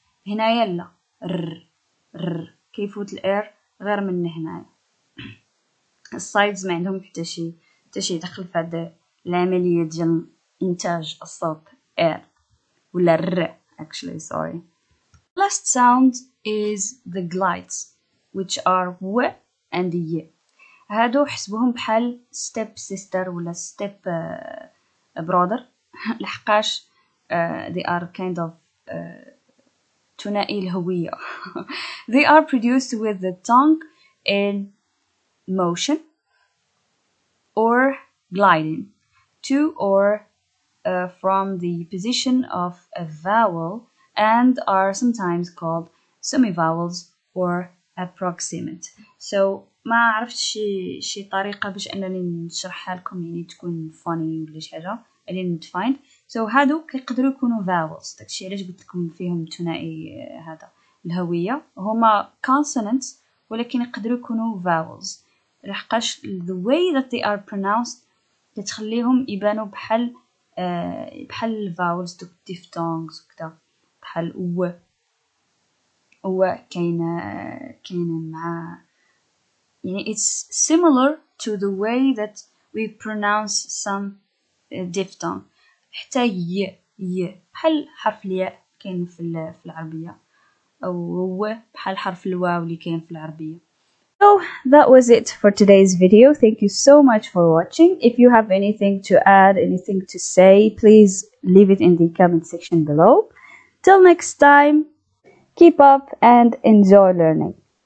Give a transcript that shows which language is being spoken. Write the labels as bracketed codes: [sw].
[ar] هنا يلا رر رر كيفوت الاير غير من هنا. السايدز ما عندهم حتى شي دخل في هذه العمليه ديال انتاج الصوت اير ولا رر. [en] Actually sorry. Last sound is the glides which are و and ي. [ar] هادو حسبهم بحال step sister ولا step brother. [en] لحقاش they are kind of [ar] ثنائي الهوية. [en] They are produced with the tongue in motion or gliding to or from the position of a vowel and are sometimes called semi-vowels or approximate. [ar] So ما عرفت شي طريقة باش أنني نشرحها لكم يعني تكون funny ولا شي حاجة. [en] I didn't find. [ar] So هادو كيقدروا يكونوا vowels. داكشي علاش قلت لكم فيهم ثنائي هذا الهوية. هما consonants ولكن يقدروا يكونوا vowels. لحقاش [en] the way that they are pronounced [ar] كتخليهم يبانوا بحال بحال vowels دوك diphthongs وكدا بحال و و كاين مع يعني [en] it's similar to the way that we pronounce some diphthong [ar] حتى ي بحال حرف الياء كاين في العربية أو و بحال حرف الواو اللي كاين في العربية. [en] So that was it for today's video. Thank you so much for watching. If you have anything to add, anything to say, please leave it in the comment section below. Till next time, keep up and enjoy learning.